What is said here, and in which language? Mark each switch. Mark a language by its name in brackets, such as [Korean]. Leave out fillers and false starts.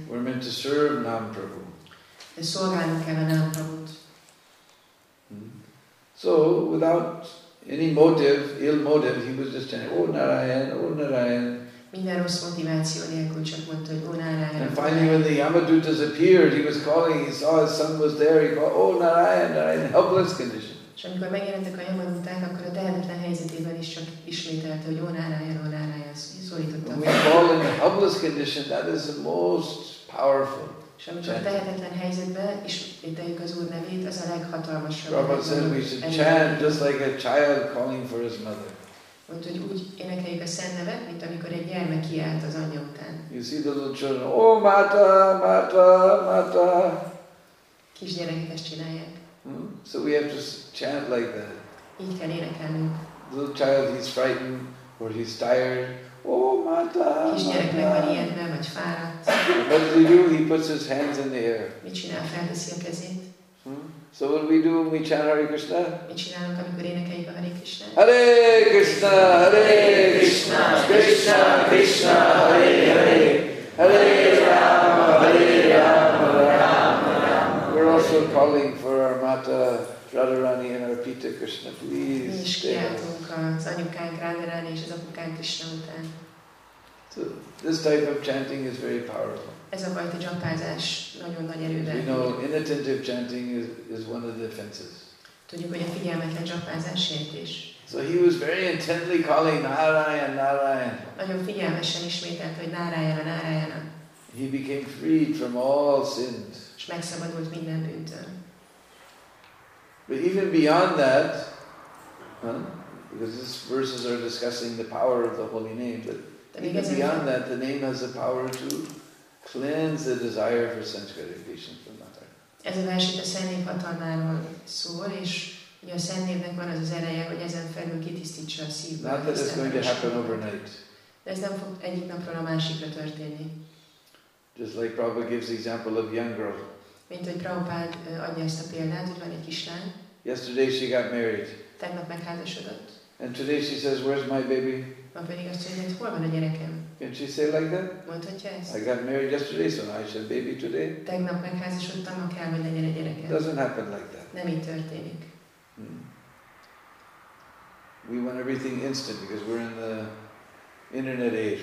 [English] We're meant to serve Namprabhu. [Hungarian] De szolgálni kell a Namprabhut. [English] So, without any motive, ill motive, he was just chanting, Oh Narayan, Oh Narayan. [Hungarian] Minden rossz motiváció nélkül csak mondta, hogy Oh Narayan. [English] And finally when the Yamadutas appeared, he was calling, he saw his son was there, he called, Oh Narayan, Narayan, helpless condition. [Hungarian] És amikor megjelentek a Yamadutak, akkor a tehetetlen helyzetében is csak ismételte, hogy Oh Narayan, Oh Narayan, szólította. [English] When we call in a helpless condition, that is the most powerful. [Hungarian] És amikor a tehetetlen helyzetben ismételjük az Úr nevét, az a leghatalmasabb. [English] Prabhupada said we should chant just like a child calling for his mother. [Hungarian] Mondta, hogy úgy énekeljük a szent nevet, mint amikor egy gyermek kiált az anyja után. [English] You see the little children, oh Mata, Mata, Mata. [Hungarian] Kisgyerekek ezt csinálják. [English] So we have to chant like that. [Hungarian] Így kell énekelni. [English] The little child, he's frightened or he's tired. [Hindi] Oh, Mata, Mata. [English] What does he do? He puts his hands in the air. [Hungarian] Mit csinál? Felteszi a kezét. [English] So what do we do when we chant Hare Krishna? [Hungarian] Mit csinálunk, amikor énekeljük a Hare Krishna? [Sanskrit] Hare Krishna, Hare Krishna, Krishna, Krishna, Hare Hare. Hare Rama, Hare Rama, Rama Rama. [English] We're also calling for our Mata, Radharani and our Pita Krishna, please. [Hungarian] Mi is kiáltunk az anyukánk Radharani és az apukánk Krishna után. [English] So, this type of chanting is very powerful. [Hungarian] Ez a fajta dzsapázás nagyon nagy erővel. [English] You know, inattentive chanting is one of the offenses. [Hungarian] Tudjuk, hogy a figyelmetlen dzsapázás sértés. [English] So he was very intently calling Narayan, Narayan. [Hungarian] Nagyon figyelmesen ismételt, hogy Narayan, Narayan. [English] He became freed from all sins. [Hungarian] És megszabadult minden bűntől. [English] But even beyond that, because these verses are discussing the power of the holy name, but even beyond that, the name has the power to cleanse the desire for sense gratification from matter. [Hungarian] Ez a vers a szent név hatalmáról szól, és ugye a szent névnek van az az ereje, hogy ezen felül kitisztítsa a szívből. [English] Not that it's going to happen overnight. [Hungarian] De ez nem fog egyik napról a másikra történni. [English] Just like Prabhupada gives the example of young girl. [Hungarian] Mint hogy Prabhupád adja ezt a példát, hogy van egy kislány. [English] Yesterday she got married. [Hungarian] Tegnap megházasodott. [English] And today she says, where's my baby? [Hungarian] Ma pedig azt mondja, hol van a gyerekem? [English] Can she say like that? [Hungarian] Mondhatja ezt? [English] I got married yesterday, so now I should baby today. [Hungarian] Tegnap megházasodtam, ma kell, hogy legyen a gyerekem. [English] Doesn't happen like that. [Hungarian] Nem így történik. [English] We want everything instant because we're in the internet age.